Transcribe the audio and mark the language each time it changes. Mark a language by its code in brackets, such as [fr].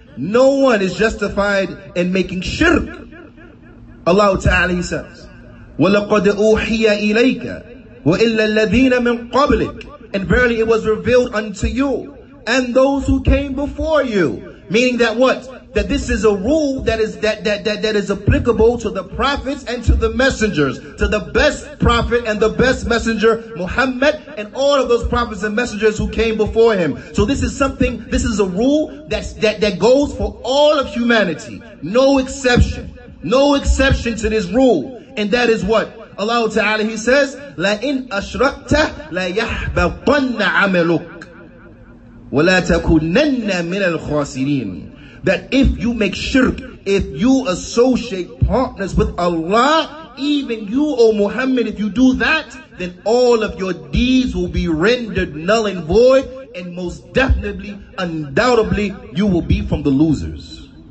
[en] No one is justified in making shirk. Allah ta'ala, he says, [ar] وَلَقَدْ أُوحِيَ إِلَيْكَ وَإِلَّا الَّذِينَ مِنْ قَبْلِكَ. [en] And verily it was revealed unto you and those who came before you. Meaning that what? That this is a rule that is applicable to the prophets and to the messengers, to the best prophet and the best messenger, Muhammad, and all of those prophets and messengers who came before him. So this is something, this is a rule that goes for all of humanity. No exception. No exception to this rule. And that is what? Allah Ta'ala, he says, [ar] لَإِنْ أَشْرَكْتَ لَيَحْبَقَنَّ عَمَلُكَ وَلَا تَكُنَنَّ مِنَ الْخَاسِرِينَ. [en] That if you make shirk, if you associate partners with Allah, even you, O Muhammad, if you do that, then all of your deeds will be rendered null and void, and most definitely, undoubtedly, you will be from the losers.